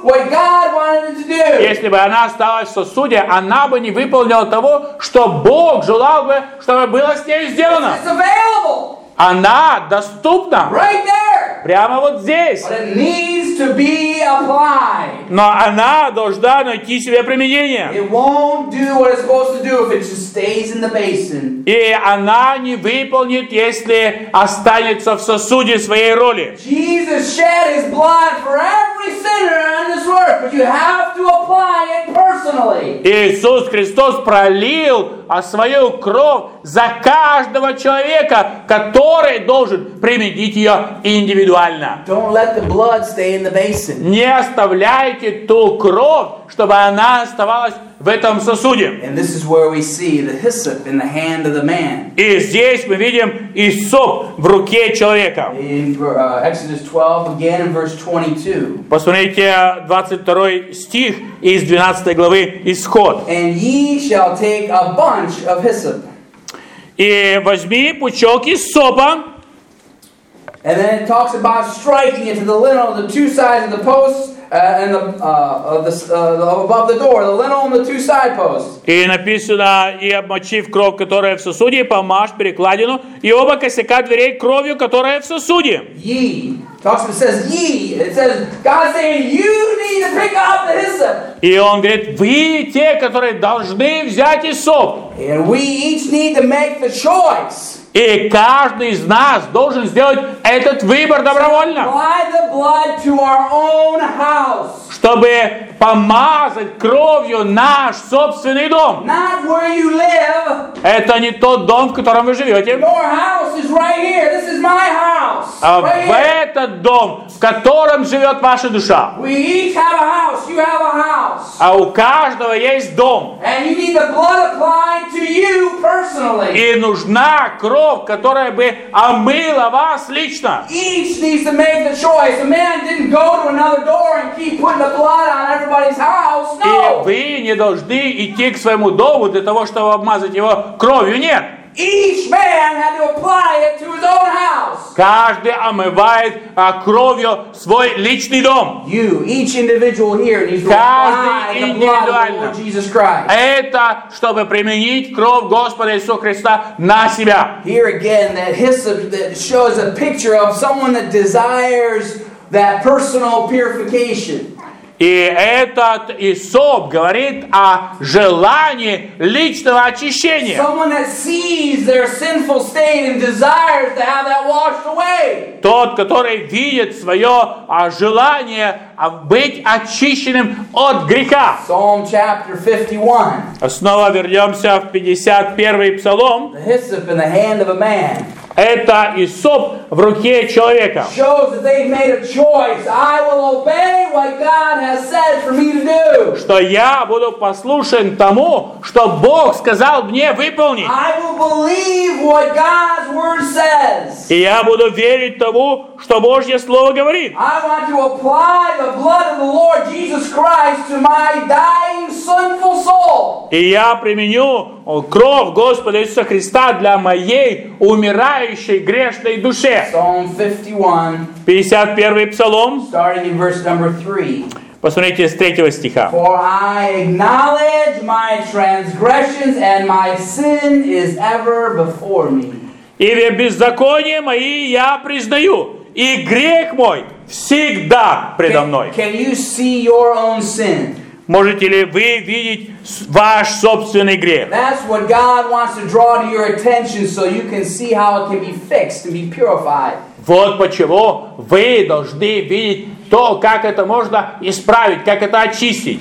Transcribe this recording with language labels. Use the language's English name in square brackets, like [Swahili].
[Russian] Если бы она осталась в сосуде, она бы не выполнила того, что Бог желал бы, чтобы было с ней сделано. Она доступна. [English] Right there. [Russian] Прямо вот здесь. [English] But it needs to be applied. [Russian] Но она должна найти себе применение. И она не выполнит, если останется в сосуде своей роли. [English] Jesus shed his blood for every sinner on this earth, but you have to apply it personally. [Russian] Иисус Христос пролил свою кровь за каждого человека, который должен применить ее индивидуально. [English] Don't let the blood stay in the basin. [Russian] Не оставляйте ту кровь, чтобы она оставалась в этом сосуде. [English] And this is where we see the hyssop in the hand of the man. [Russian] И здесь мы видим иссоп в руке человека. [English] In Exodus 12, again in verse 22. [Russian] Посмотрите 22 стих из 12 главы Исход. [English] And ye shall take a bunch of hyssop. [Russian] И возьми пучок иссопа. [English] And then it talks about striking into the lintel of the two sides of the posts. And the above the door, the lintel on the two side posts. [Russian] И написано, и обмочив кровь, которая в сосуде, помажь перекладину, и оба косяка дверей кровью, которая в сосуде. [English] Ye. It says God saying you need to pick up the hyssop. [Russian] И он говорит, вы те, которые должны взять иссоп. [English] And we each need to make the choice. [Russian] И каждый из нас должен сделать этот выбор добровольно. [English] Apply the blood to our own house. [Russian] Чтобы помазать кровью наш собственный дом. [English] Not where you live. [Russian] Это не тот дом, в котором вы живете. [English] Your house is right here. This is my house. [Russian] А в этот дом, в котором живет ваша душа. [English] We each have a house. You have a house. [Russian] А у каждого есть дом. [English] And you need the blood applied to you personally. [Russian] И нужна кровь, которая бы омыла вас лично. [English] Each needs to make the choice. A man didn't go to another door and keep putting the blood on everybody's house. No. [Russian] И вы не должны идти к своему дому для того, чтобы обмазать его кровью. Нет. [English] Each man had to apply it to his own house. [Russian] Каждый омывает кровью свой личный дом. [English] You, each individual here needs to apply the blood of the Lord Jesus Christ. [Russian] Это чтобы применить кровь Господа Иисуса Христа на себя. [English] Here again, that hyssop that shows a picture of someone that desires that personal purification. [Russian] И этот иссоп говорит о желании личного очищения. [English] Someone that sees their sinful state and desires to have that washed away. [Russian] Тот, который видит свое желание быть очищенным от греха. [English] Psalm chapter 51. [Russian] Снова вернемся в 51 псалом. [English] The hyssop in the hand of a man. [Russian] Это иссоп в руке человека. Что я буду послушен тому, что Бог сказал мне выполнить. [English] I will believe what God's word says. [Russian] И я буду верить тому, что Божье Слово говорит. [English] I want to apply the blood of the Lord Jesus Christ to my dying sinful soul. [Russian] И я применю кровь Господа Иисуса Христа для моей умирающей грешной души. [English] Psalm 51. [Russian] 51 Псалом. [English] Starting in verse number 3. [Russian] Посмотрите с 3 стиха. [English] For I acknowledge my transgressions and my sin is ever before me. [Russian] И в беззаконии мои я признаю, и грех мой всегда предо мной. [English] Can you see your own sin? [Russian] Можете ли вы видеть ваш собственный грех? [English] That's what God wants to draw to your attention so you can see how it can be fixed and be purified. [Russian] Вот почему вы должны видеть то, как это можно исправить, как это очистить.